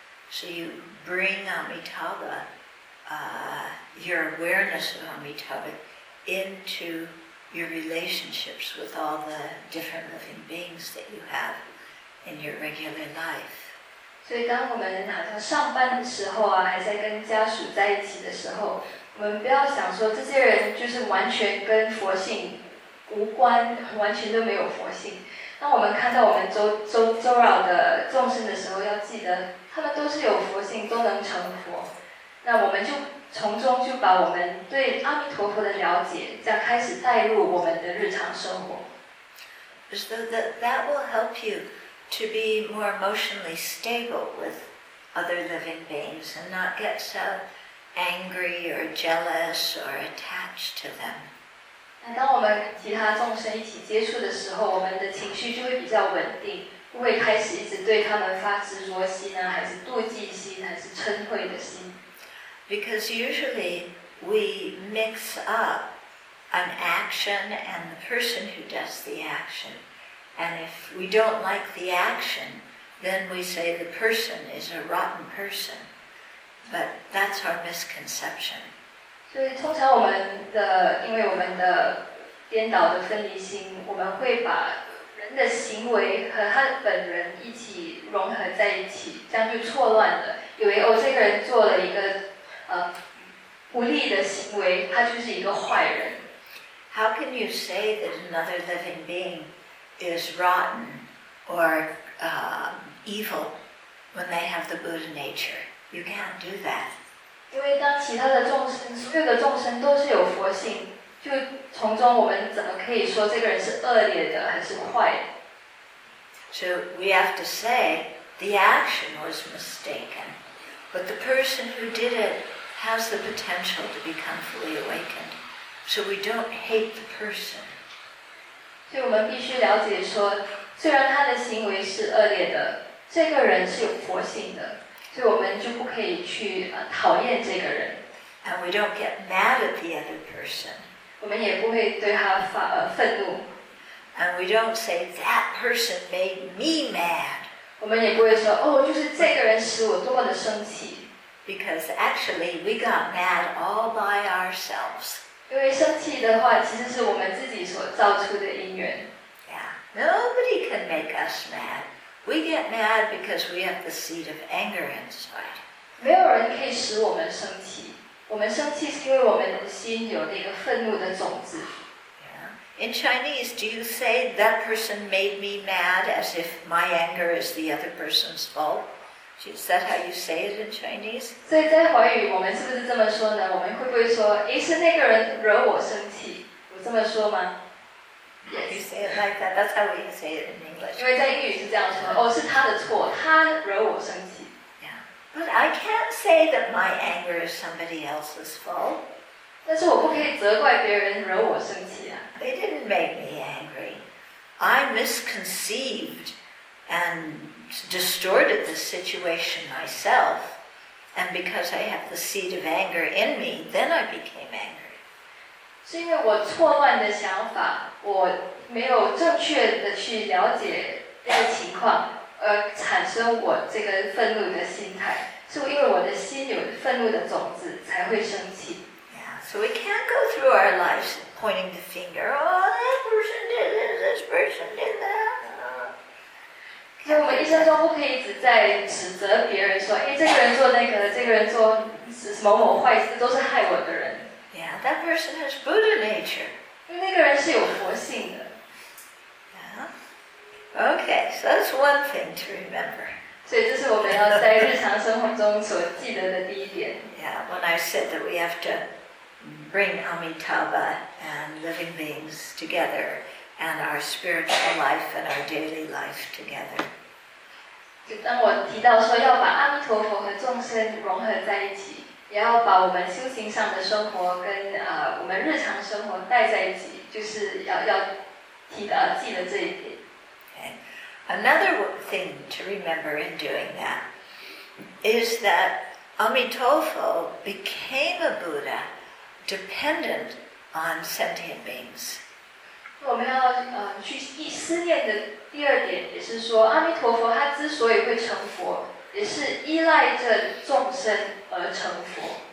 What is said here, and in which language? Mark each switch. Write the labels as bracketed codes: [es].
[en] So you bring Amitabha, your awareness of Amitabha into your relationships with all the different living beings that you have in your regular life. [zh] 所以当我们好像上班的时候啊，还在跟家属在一起的时候，我们不要想说这些人就是完全跟佛性无关，完全都没有佛性。当我们看到我们周绕的众生的时候，要记得他们都是有佛性，都能成佛。那我们就从中就把我们对阿弥陀佛的了解，这样开始带入我们的日常生活。 [en] So that will help you to be more emotionally stable with other living beings and not get so angry or jealous or attached to them. [zh] 那当我们其他众生一起接触的时候，我们的情绪就会比较稳定，不会开始一直对他们发执着心啊，还是妒忌心，还是嗔恚的心。 [en] Because usually we mix up an action and the person who does the action. And if we don't like the action, then we say the person is a rotten person. But that's our misconception. [zh] 所以通常我们的，因为我们的颠倒的分离心，我们会把人的行为和他本人一起融合在一起，这样就错乱了，以为哦，这个人做了一个不利的行为，他就是一个坏人。 [en] How can you say that another living being is rotten or evil when they have the Buddha nature? You can't do that. [zh] 因为当其他的众生，所有的众生都是有佛性，就从中我们怎么可以说这个人是恶劣的还是坏的？ [en] So we have to say the action was mistaken, but the person who did it. Has the potential to become fully awakened, so we don't hate the person. [zh] 所以我们必须了解说，虽然他的行为是恶劣的，这个人是有佛性的，所以我们就不可以去讨厌这个人。 [en] And we don't get mad at the other person. [zh] 我们也不会对他愤怒。 [en] And we don't say that person made me mad. [zh] 我们也不会说哦，就是这个人使我么的生气。 [en] Because actually we got mad all by ourselves. [zh] 因为生气的话，其实是我们自己所造出的因缘。 [en] Yeah, nobody can make us mad. We get mad because we have the seed of anger inside. [zh] 没有人可以使我们生气。我们生气是因为我们的心有那个愤怒的种子。 [en] In Chinese, do you say that person made me mad as if my anger is the other person's fault? Is that how you say it in Chinese? [zh] 所以在华语我们是不是这么说呢？我们会不会说，诶，是那个人惹我生气？我这么说吗？ [en] Yes. You say it like that. That's how we say it in English. [zh] 因为在英语是这样说，哦，是他的错，他惹我生气。 [en] Yeah. But I can't say that my anger is somebody else's fault. [zh] 但是我不可以责怪别人惹我生气啊。 [en] They didn't make me angry. I misconceived and distorted the situation myself. And because I have the seed of anger in me, then I became angry. [zh] 是因为我错乱的想法，我没有正确的去了解这个情况，而产生我这个愤怒的心态。是因为我的心有愤怒的种子，才会生气。 [en] So we can't go through our lives pointing the finger, oh, that person did this, this person did that. [zh] 所以我们一生中不可以只在指责别人说，哎，这个人做那个，这个人做某某坏事，都是害我的人。 [en] Yeah, that person has Buddha nature. [zh] 因为那个人是有佛性的。 [en] Yeah. Okay, so that's one thing to remember. [zh] 所以这是我们要在日常生活中所记得的第一点。 [en] Yeah, when I said that we have to... bring Amitabha and living beings together and our spiritual life and our daily life together. [zh] 就当我提到说要把阿弥陀佛和众生融合在一起，也要把我们修行上的生活跟我们日常生活带在一起，就是要提到记得这一点。 [en] Okay. Another thing to remember in doing that is that Amitabha became a Buddha. Dependent on sentient beings. [zh] 我们要去思念的第二点也是说，阿弥陀佛他之所以会成佛，也是依赖着众生而成佛。